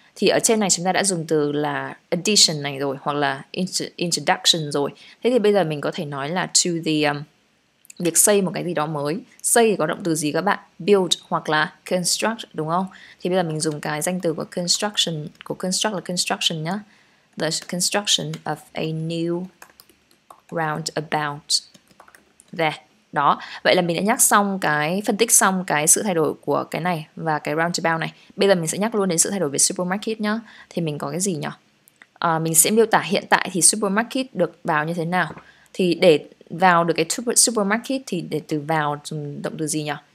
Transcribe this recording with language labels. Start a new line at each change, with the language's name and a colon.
Vietnamese: Thì ở trên này chúng ta đã dùng từ là addition này rồi, hoặc là introduction rồi. Thế thì bây giờ mình có thể nói là
English: to the
Vietnamese: việc xây một cái gì đó mới. Xây thì có động từ gì các bạn? Build hoặc là construct đúng không? Thì bây giờ mình dùng cái danh từ của construct là construction nhá.
English: The construction of a new roundabout there.
Vietnamese: Đó, vậy là mình đã nhắc xong cái, phân tích xong cái sự thay đổi của cái này và cái roundabout này. Bây giờ mình sẽ nhắc luôn đến sự thay đổi về supermarket nhá. Thì mình có cái gì nhỉ? Mình sẽ miêu tả hiện tại thì supermarket được vào như thế nào. Thì để vào được cái supermarket thì để từ vào dùng động từ gì nhỉ?